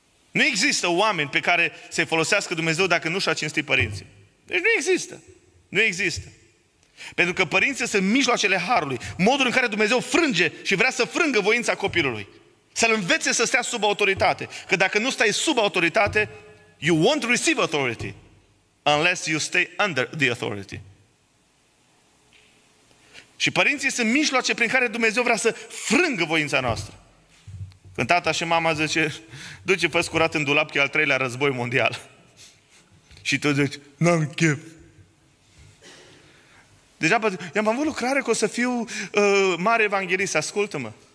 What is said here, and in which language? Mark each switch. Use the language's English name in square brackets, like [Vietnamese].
[Romanian] Nu există oameni pe care să-i folosească Dumnezeu dacă nu și-a cinstit părinții. Deci nu există. Nu există. Pentru că părinții sunt mijloacele harului, modul în care Dumnezeu frânge și vrea să frângă voința copilului. Să-l învețe să stea sub autoritate. Că dacă nu stai sub autoritate, [English] you won't receive authority unless you stay under the authority. [Romanian] Și părinții sunt mijloace prin care Dumnezeu vrea să frângă voința noastră. Când tata și mama zice, duce fă-ți curat în dulap, că e al treilea război mondial. Și tu zici, n-am chef. Deja, i-am avut lucrare că o să fiu mare evanghelist. Ascultă-mă.